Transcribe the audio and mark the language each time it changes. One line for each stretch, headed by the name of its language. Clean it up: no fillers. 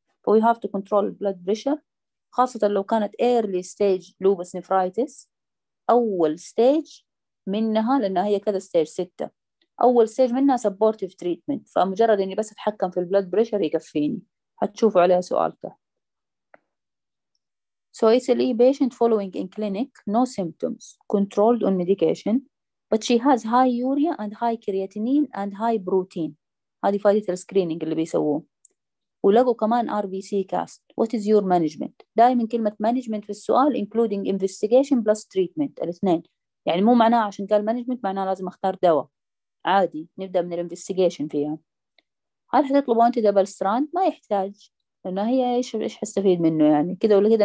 English: We have to control blood pressure
Arabic: خاصة لو كانت
English: early stage lupus nephritis أول stage منها،
Arabic: لأنها هي كذا
English: stage 6، أول stage منها supportive treatment.
Arabic: فمجرد إني بس أتحكم في blood pressure يكفيني. هتشوفوا عليها سؤال تحت.
English: So SLE patient following in clinic no symptoms controlled on medication but she has high urea and high creatinine and high protein.
Arabic: هذه فائدة السكرينينج اللي بيسووه. ولقوا كمان ار بي سي كاست،
English: What is your management?
Arabic: دائما كلمه مانجمنت في السؤال
English: including investigation plus treatment
Arabic: الاثنين، يعني مو معناه عشان قال مانجمنت معناه لازم اختار دواء. عادي نبدا من الانفستيجيشن فيها. هل حتطلبوا انت دبل ستراند؟ ما يحتاج، لانه هي ايش حستفيد منه يعني كده ولا كده.